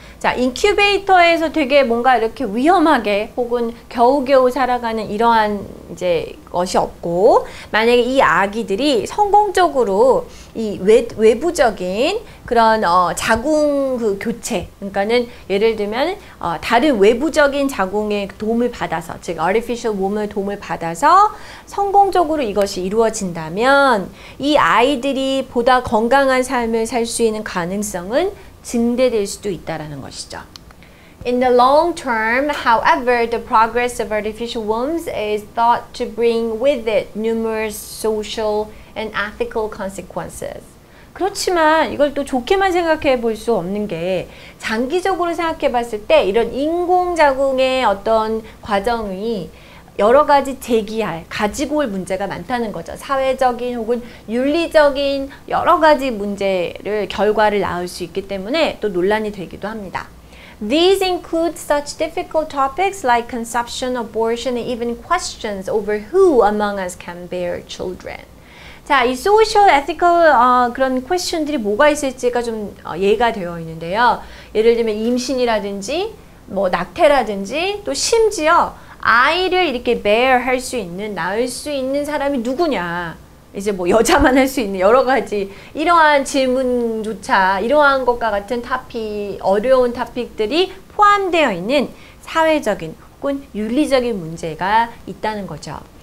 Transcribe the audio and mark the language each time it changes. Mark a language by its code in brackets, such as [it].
[ko] 자, 인큐베이터에서 되게 뭔가 이렇게 위험하게 혹은 겨우겨우 살아가는 이러한 이제 것이 없고 만약에 이 아기들이 성공적으로 이 외부적인 그런 자궁 그 교체, 그러니까는 예를 들면 다른 외부적인 자궁의 도움을 받아서 즉 artificial womb의 도움을 받아서 성공적으로 이것이 이루어진다면 이 아이들이 보다 건강한 삶을 살 수 있는 가능성은 증대될 수도 있다라는 것이죠. [en] In the long term, however, the progress of artificial wombs is thought to bring with it numerous social and ethical consequences. [ko] 그렇지만 이걸 또 좋게만 생각해 볼 수 없는 게 장기적으로 생각해 봤을 때 이런 인공자궁의 어떤 과정이 여러 가지 제기할, 가지고 올 문제가 많다는 거죠. 사회적인 혹은 윤리적인 여러 가지 문제를, 결과를 낳을 수 있기 때문에 또 논란이 되기도 합니다. [en] These include such difficult topics like conception, abortion, and even questions over who among us can bear children. [ko] 자, 이 소셜 에티컬 그런 퀘스천들이 뭐가 있을지가 좀 예가 되어 있는데요. 예를 들면 임신이라든지 뭐 낙태라든지 또 심지어 아이를 이렇게 bear 할 수 있는 낳을 수 있는 사람이 누구냐. 이제 뭐 여자만 할 수 있는 여러 가지 이러한 질문조차 이러한 것과 같은 어려운 토픽들이 포함되어 있는 사회적인 혹은 윤리적인 문제가 있다는 거죠.